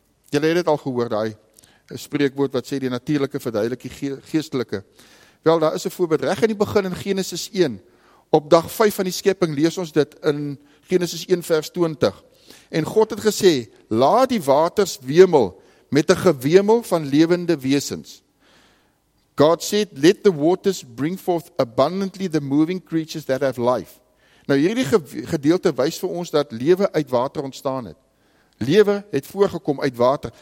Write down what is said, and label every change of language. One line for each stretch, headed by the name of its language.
Afrikaans: Julle het dit al gehoor, daai spreekwoord wat sê die natuurlike verduidelik die geestelike. Wel, daar is 'n voorbeeld, reg in die begin in Genesis 1, op dag 5 van die skepping lees ons dit in Genesis 1 vers 20. En God het gesê, laat die waters wemel met 'n gewemel van lewende wesens.
English: God said, let the waters bring forth abundantly the moving creatures that have life.
Afrikaans: Nou, hierdie gedeelte wys vir ons dat lewe uit water ontstaan het. Lewe het voorgekom uit water.